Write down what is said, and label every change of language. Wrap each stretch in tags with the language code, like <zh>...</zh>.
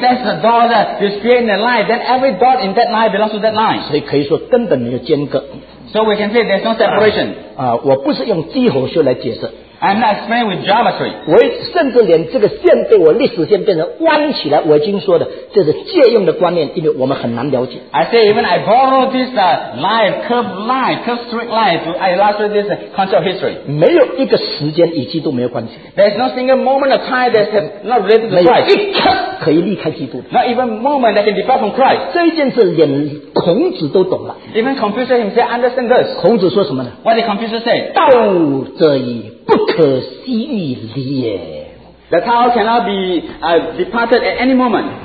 <en>there's a dot that is in the line, then every dot in that line belongs to that line.</en> <zh>所以可以说根本没有间隔。So</zh> <en>we can say there's no separation.</en> <zh>我不是用几何学来解释。</zh> <en>I'm not explaining with geometry.</en> <zh>我甚至连这个线被我历史线变成弯起来，我已经说的，这是借用的观念，因为我们很难了解。</zh> <en>I say even I borrow this curved line to illustrate this concept of history.</en> <zh>没有一个时间与基督没有关系。</zh> <en>There's no single moment of time that's not related to Christ.</en> <zh>可以离开基督的。</zh> <en>Not even moment that can depart from Christ.</en> <zh>这一件事连孔子都懂了。</zh> <en>Even Confucius himself understand this.</en> <zh>孔子说什么呢？</zh> <en>What did Confucius say?</en> <zh>道则已 不可思议离也。</zh> <en>The Tao cannot be departed at any moment.</en>